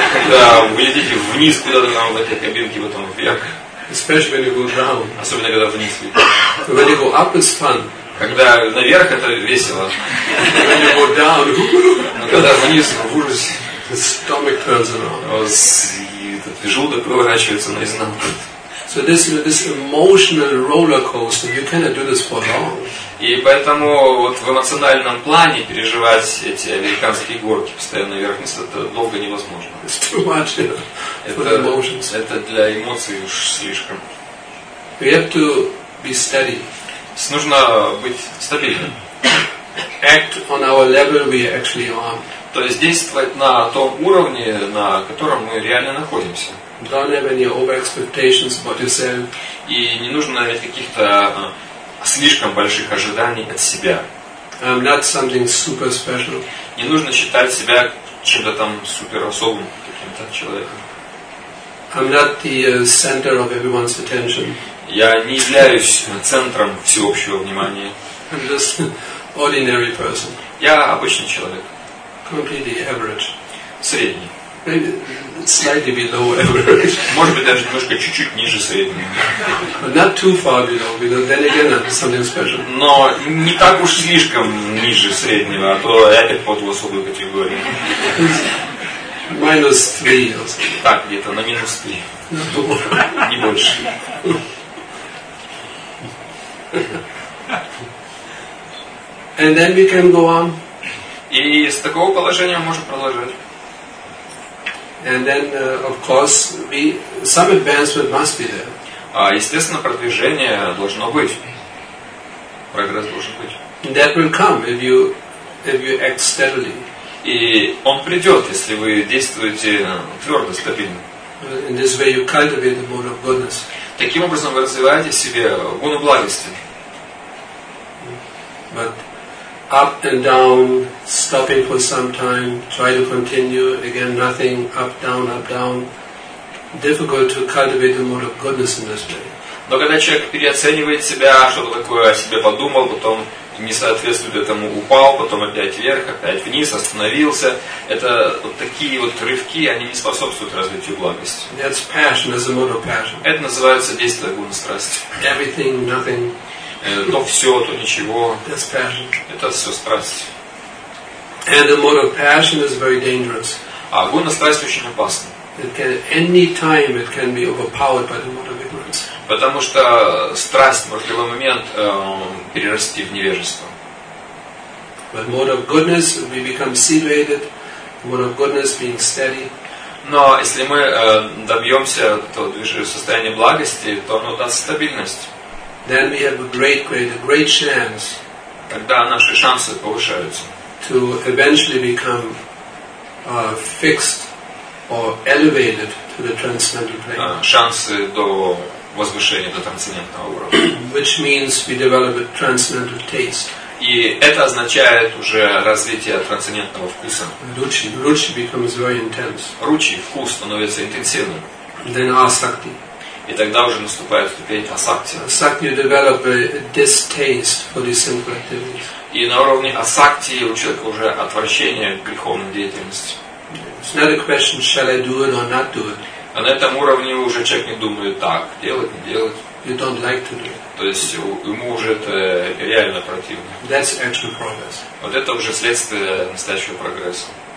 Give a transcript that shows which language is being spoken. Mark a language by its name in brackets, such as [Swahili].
[Russian] Да, вы летите вниз куда-то там в этой кабинке, потом вверх. [English] Especially when you go down. [Russian] Особенно когда вниз. [English] When you go up is fun. [Russian] Когда наверх, это весело. [English] When you go down, [Russian] но когда вниз, в ужасе. [English] The stomach turns around. [Russian] И желудок выворачивается наизнанку. [English] So this emotional roller coaster, you cannot do this for long. [Russian] И поэтому вот в эмоциональном плане переживать эти американские горки постоянно вверх-вниз, это долго невозможно. [English] It's too much, [Russian] это для эмоций уж слишком. [English] We have to be steady. [Russian] Нужно быть стабильным. [English] Act on our level we actually are. [Russian] То есть действовать на том уровне, на котором мы реально находимся. [English] Don't have any over-expectations about yourself. [Russian] И не нужно иметь каких-то слишком больших ожиданий от себя. [English] I'm not something super special. [Russian] Не нужно считать себя чем-то там супер особым каким-то человеком. [English] I'm not the center of everyone's attention. [Russian] Я не являюсь центром всеобщего внимания. [English] I'm just an ordinary person. [Russian] Я обычный человек. [English] Completely average. [Russian] Средний. [English] Maybe slightly below average. [Russian] Может быть, даже немножко чуть-чуть ниже среднего. [English] Not too far below, because then again, something special. [Russian] Но не так уж слишком ниже среднего, а то опять под в особую категорию. [English] Minus 3 or something. [Russian] Так, где-то на минус 3. Не больше. [English] And then we can go on. [Russian] И с такого положения можно продолжать. [English] And then, of course, we some advancement must be there. [Russian] Естественно, продвижение должно быть. Прогресс должен быть. [English] That will come if you act steadily. [Russian] И он придет, если вы действуете твердо, стабильно. [English] In this way, you cultivate the mode of goodness. [Russian] Таким образом, вы развиваете в себе гуну благости. [English] But up and down, stopping for some time, try to continue, again nothing, up, down, difficult to cultivate the mode of goodness in this way. [Russian] Но когда человек переоценивает себя, что-то такое о себе подумал, потом не соответствует этому, упал, потом опять вверх, опять вниз, остановился, это вот такие вот рывки, они не способствуют развитию благости. [English] That's passion, that's a mode of passion. [Russian] Это называется действие гуны страсти. [English] Everything, nothing. [Russian] То все, то ничего. [English] That's passion. [Russian] Это все страсть. [English] And the mode of passion is very dangerous. [Russian] А гуна страсти очень опасна. [English] It can, any time it can be overpowered by the mode of ignorance. [Russian] Потому что страсть может в любой момент перерасти в невежество. [English] But mode of goodness, we become situated. Mode of goodness being steady. [Russian] Но если мы добьемся того движения состояния благости, то оно даст стабильность. [English] Then we have a great chance. [Russian] Тогда наши шансы повышаются. [English] To eventually become fixed or elevated to the transcendental plane. [Russian] Шансы до возвышения до трансцендентного уровня. [English] Which means we develop a transcendental taste. [Russian] И это означает уже развитие трансцендентного вкуса. [English] Ручи becomes very intense. [Russian] Ручи вкус становится интенсивным. [English] Then asakti. [Russian] И тогда уже наступает ступень асакти. [English] Asakti, you develop a distaste for the sinful activities. [Russian] И на уровне асакти у человека уже отвращение к греховной деятельности. [English] It's not a question, shall I do it or not do it? [Russian] А на этом уровне уже человек не думает так, делать, не делать. [English] You don't like to do. [Russian] То есть ему уже это реально противно. [English] That's actual progress. [Russian] Вот это уже следствие настоящего прогресса.